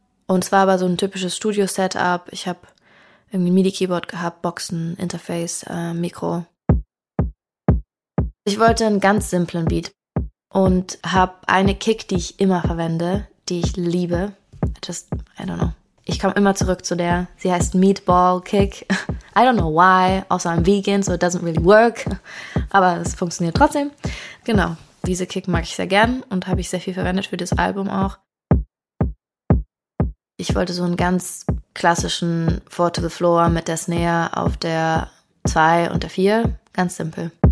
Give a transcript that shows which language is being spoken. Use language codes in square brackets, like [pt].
[de] Und es war aber so ein typisches Studio-Setup. Ich habe irgendwie ein MIDI-Keyboard gehabt, Boxen, Interface, Mikro. Ich wollte einen ganz simplen Beat und habe eine Kick, die ich immer verwende, die ich liebe. [en] Just, I don't know. [de] Ich komme immer zurück zu der. Sie heißt Meatball Kick. [en] I don't know why, [de] außer [en] I'm vegan, so it doesn't really work. [de] Aber es funktioniert trotzdem. Genau, diese Kick mag ich sehr gern und habe ich sehr viel verwendet für das Album auch. Ich wollte so einen ganz klassischen Four to the Floor mit der Snare auf der 2 und der 4. Ganz simpel.